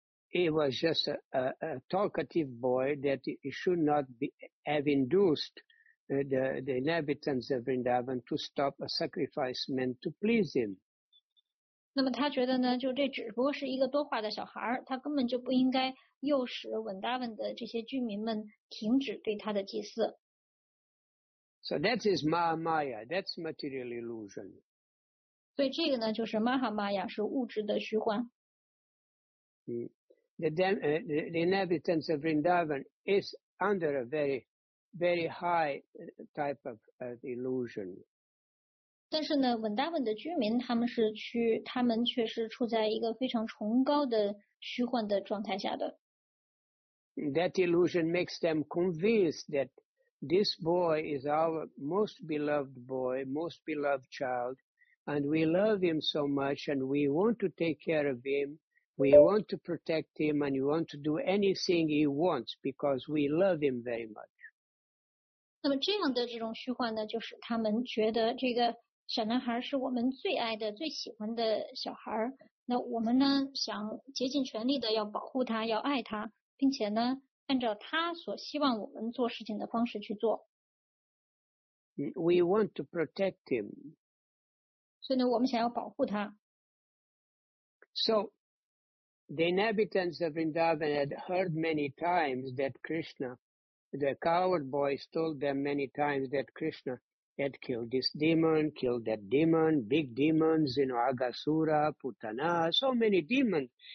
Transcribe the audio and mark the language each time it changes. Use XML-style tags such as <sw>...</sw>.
<en>He was just a talkative boy that should not have induced the inhabitants of Vrindavan to stop a sacrifice meant to please him.</en> <zh>那么他觉得呢，就这只不过是一个多话的小孩，他根本就不应该诱使文达文的这些居民们停止对他的祭祀。</zh> <en>So that is Mahamaya, that's material illusion.</en> <zh>所以这个呢就是 Mahamaya, 是物质的虚幻。</zh> <en>The inhabitants of Vrindavan is under a very, very high type of illusion.</en> <zh>但是呢 Vrindavan 的居民他们却是处在一个非常崇高的虚幻的状态下的。</zh> <en>That illusion makes them convinced that this boy is our most beloved boy, most beloved child, and we love him so much, and we want to take care of him, we want to protect him, and we want to do anything he wants because we love him very much.</en> <zh>那么这样的这种虚幻呢，就是他们觉得这个小男孩是我们最爱的、最喜欢的小孩。那我们呢，想竭尽全力的要保护他、要爱他，并且呢。按照他所希望我们做事情的方式去做。</zh> <en>We want to protect him.</en> <zh>所以呢，我们想要保护他。</zh> <en>So, the inhabitants of Vrindavan had heard many times that Krishna, the coward boys told them many times that Krishna had killed this demon, killed that demon, big demons, you know, Agasura, Putana, so many demons.</en>